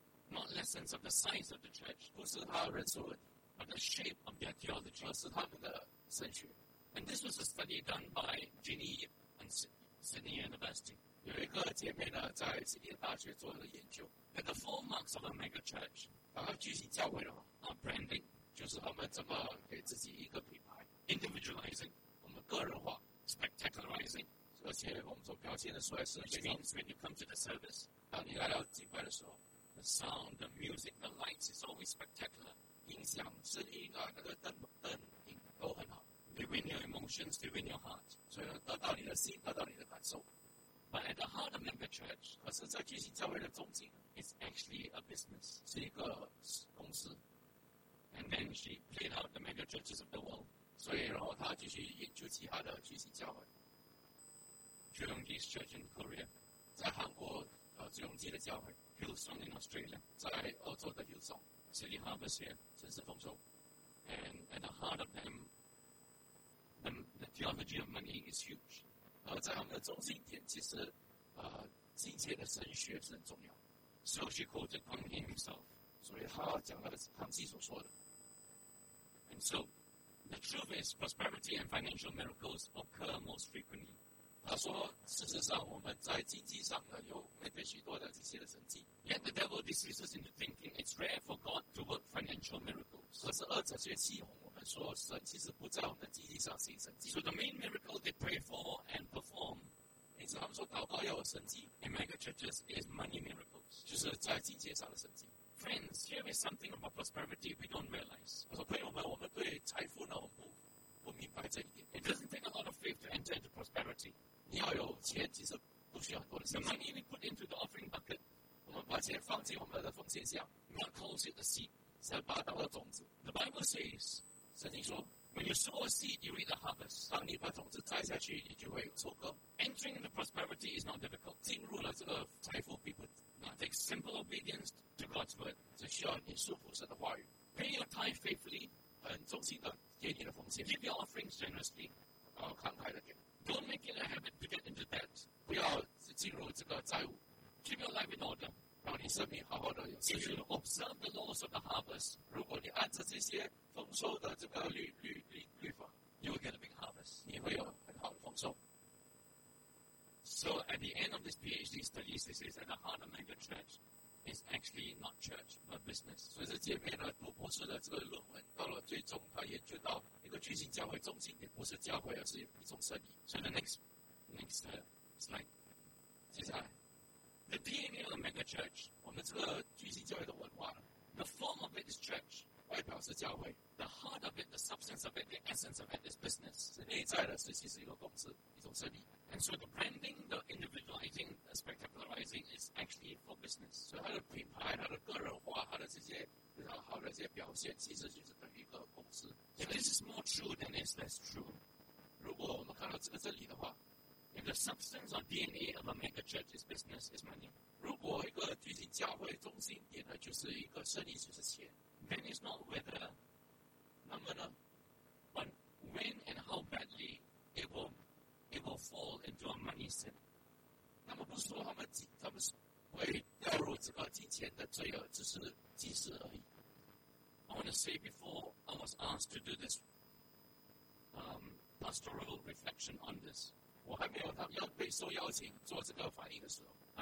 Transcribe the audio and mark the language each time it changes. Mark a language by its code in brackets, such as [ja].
[en] Not lessons of the size of the church. [zh] 不是他人数问题. [en] But the shape of their theology. [zh] 而是他们的神学. [en] And this was a study done by Ginny Yip and Sydney University. [zh] 有一个姐妹呢, 在悉尼大学做了研究, [en] and the four marks of a mega church, [zh] 巨型教会的, [en] are branding, [zh] 就是我们怎么给自己一个品牌, [en] individualizing, [zh] 我们个人化, [en] spectacularizing, [zh] 而且我们所表现的出来是, [en] which means when you come to the service, [zh] 当你来到敬拜的时候, [en] the sound, the music, the lights is always spectacular, [zh] 音响声音啊, 那个灯影都很好, [en] they win your emotions, they win your heart, [zh] 所以得到你的心, 得到你的感受. [en] But at the heart of mega church, it's actually a business. [zh] 是一个公司. [en] And then she played out the mega churches of the world. [zh] 所以然后她继续研究其他的巨型教会. [en] Zhuyongji's church in Korea. [zh] 在韩国, Zhuyongji的教会. [en] Hillsong in Australia. [zh] 在欧洲的 Hillsong. [en] City Harvest here. [zh] 城市丰收. [en] And at the heart of them, the theology of money is huge. [zh] 而在他们的中心点其实, 金钱的神学是很重要. [en] So she quoted Kang He himself. [zh] 所以他讲了康熙所说的. [en] And so, the truth is prosperity and financial miracles occur most frequently. [zh] 他说事实上我们在经济上有面对许多的这些的神迹. [en] Yet the devil deceives into thinking it's rare for God to work financial miracles. [zh] 可是二者却欺哄我. 说神其实不在我们的经济上行神迹. [en] So the main miracle they pray for and perform, [zh] 也是他们说祷告要有神迹. [en] In mega churches is money miracles, [zh] 就是在经济上的神迹. [en] Friends, here is something about prosperity we don't realize. [zh] 我说朋友们，我们对财富呢，我们不明白这一点. [en] It doesn't take a lot of faith to enter into prosperity. [zh] 你要有钱，其实不需要很多的钱. [en] The money we put into the offering bucket, [zh] 我们把钱放进我们的奉献箱. [en] Not close to the seed, [zh] 是要把它当作种子. [en] The Bible says. [zh] 圣经说, [en] when you sow a seed, you reap a harvest. [zh] 当你把种子栽下去，你就会有收割. [en] Entering the prosperity is not difficult. [zh] 进入了这个财富并不难. [en] It takes simple obedience to God's word. [zh] 只需要你顺服神的话语. [en] Pay your tithe faithfully. [zh] 很忠心的给你的奉献. [en] Give your offerings generously. [zh] 慷慨的给. [en] Don't make it a habit to get into debt. [zh] 不要自己. 进入这个债务 ， [en] keep your life in order， [zh] 让你生命好好的有秩序。 [en] If you observe the laws of the harvest， [zh] 如果你按照这些丰收的这个律法 [en] ，you will get a big harvest， [zh] 你会有很好的丰收。 [en] So at the end of this PhD studies, this is at the heart of mega church. It's actually not church, but business. [zh] 所以这前面呢，读博士的这个论文到了最终，他研究到一个巨型教会中心也不是教会，而是一种生意。 [en] So the next slide， [zh] 接下来 [en] ，the DNA of the mega church， [zh] 我们这个巨型教会的文化 [en] ，the form of it is church， [zh] 外表是教会 [en] ，the heart of it, the substance of it, the essence of it is business， [zh] 是内在的，是其实一个公司，一种生意。 [en] And so the branding, the individualizing, the spectacularizing is actually for business. So how to prepare, how to [zh] 个人化，它的这些比较好的这些表现，其实就是等于一个公司。 [en] So this is more true than is less true. [zh] 如果我们看到这个这里的话 [en] ，if the substance or DNA of a mega church is business, is money. [zh] 如果一个巨型教会中心点的就是一个生意，就是钱 [en] ，then it's not whether, [zh] 那么呢 [en] ，but when and how badly it will fall into a money sin. [zh] 那么不是说他们会掉入这个金钱的罪恶，只是即时而已。 [en] I want to say before I was asked to do this pastoral reflection on this, [zh] 我还没有他要被受邀请做这个反应的时候